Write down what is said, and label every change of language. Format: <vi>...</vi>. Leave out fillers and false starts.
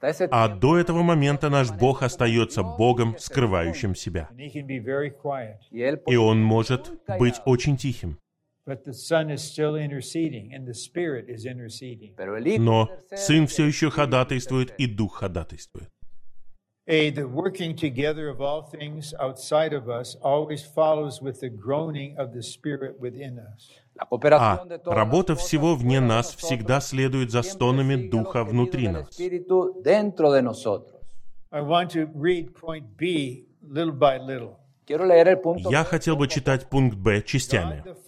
<ru>А до этого момента наш Бог остается Богом, скрывающим себя. И Он может быть очень тихим. Но Сын все еще ходатайствует, и Дух ходатайствует.</ru> <en>The working together of all things outside of us always follows with the groaning of the Spirit within us.</en> <ru>А работа всего вне нас всегда следует за стонами Духа внутри нас.</ru> <en>I want to read point B little by little.</en> <ru>Я хотел бы читать пункт Б частями.</ru>